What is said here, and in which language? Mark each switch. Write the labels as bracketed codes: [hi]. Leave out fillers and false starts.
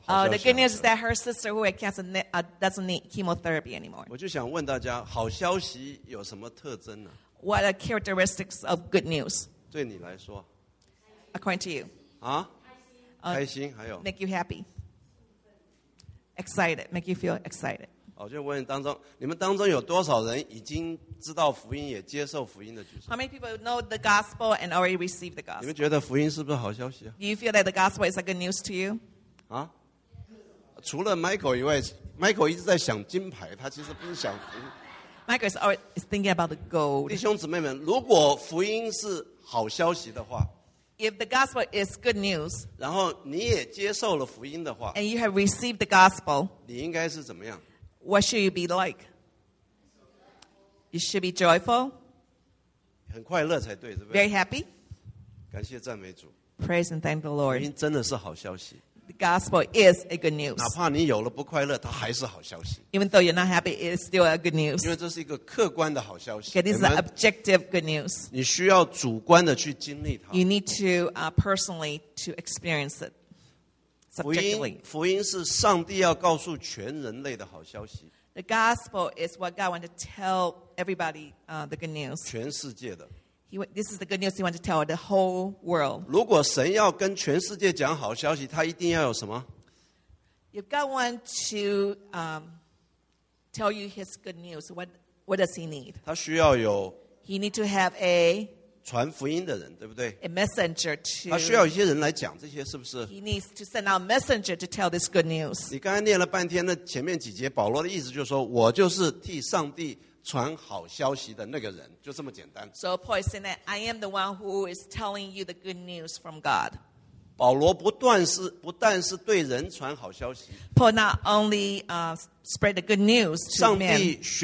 [en] the good news is that her sister who had cancer doesn't need chemotherapy anymore. [zh] 我就想问大家, 好消息有什么特征呢? [en] What are characteristics of good news? [zh] 对你来说, [en] according to you. [zh] 啊?开心, 还有? [en] Make you happy. Excited. Make you feel excited. [zh] 我就问当中, 你们当中有多少人已经知道福音也接受福音的举手? [en] How many people know the gospel and already received the gospel? [zh] 你们觉得福音是不是好消息? [en] Do you feel that the gospel is a good news to you? 啊? [zh] 除了Michael以外, Michael一直在想金牌, 他其实不是想福音。 [en] Michael is always thinking about the gold. [zh] 弟兄姊妹们, 如果福音是好消息的话, [en] if the gospel is good news, [zh] 然后你也接受了福音的话, [en] and you have received the gospel, [zh] 你应该是怎么样? [en] What should you be like? You should be joyful. [zh] 很快乐才对, 对不对? [en] Very happy. [zh] 感谢赞美主。 [en] Praise and thank the Lord. [zh] 福音真的是好消息。 [en] The gospel is a good news. [zh] 哪怕你有了不快乐, 它还是好消息。 [en] Even though you're not happy, it's still a good news. [zh] 因为这是一个客观的好消息。 [en] Okay, this is an objective good news. [zh] 你需要主观的去经历它。 [en] You need to personally to experience it. Subjectively. [zh] 福音是上帝要告诉全人类的好消息。 [en] The gospel is what God wants to tell everybody the good news. [zh] 全世界的。 [en] This is the good news he wants to tell the whole world. [zh] 如果神要跟全世界讲好消息, 他一定要有什么? [en] If God wants to tell you his good news, what does he need? [zh] 他需要有 [en] He need to have a [zh] 传福音的人, 对不对? [en] A messenger to [zh] 他需要一些人来讲这些是不是? [en] He needs to send out a messenger to tell this good news. [zh] 你刚才念了半天, 那前面几节, 保罗的意思就是说, 我就是替上帝 传好消息的那个人, 就这么简单。 [en] So Paul is saying that I am the one who is telling you the good news from God. [zh] 保罗不但是对人传好消息, [en] Paul not only spread the good news to men.